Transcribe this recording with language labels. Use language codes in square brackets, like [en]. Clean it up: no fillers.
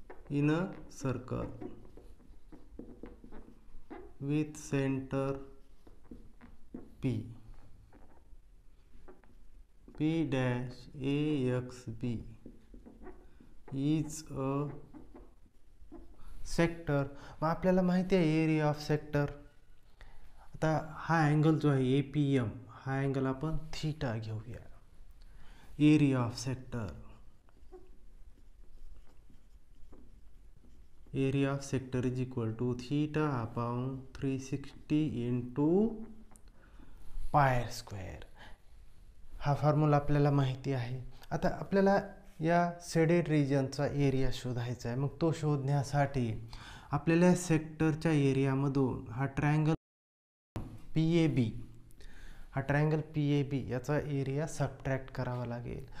[en] In a circle with center P, P dash AXB is a sector. [mr] मग आपल्याला माहिती आहे [en] Area of sector. [mr] आता हा अँगल जो आहे APM, हा अँगल आपण थीटा घेऊया. [en] Area of sector area of sector is equal to theta upon 360 into pi r square. [mr] हा फॉर्मुला आपल्याला माहिती आहे। आता आपल्याला या सेडेड रिजनचा एरिया शोधायचा आहे। मग तो शोधण्यासाठी आपल्याला सेक्टरच्या एरियामधून हा ट्रायंगल पी ए बी, हा ट्रायंगल पी ए बी याचा एरिया सबट्रॅक्ट करावा लागेल।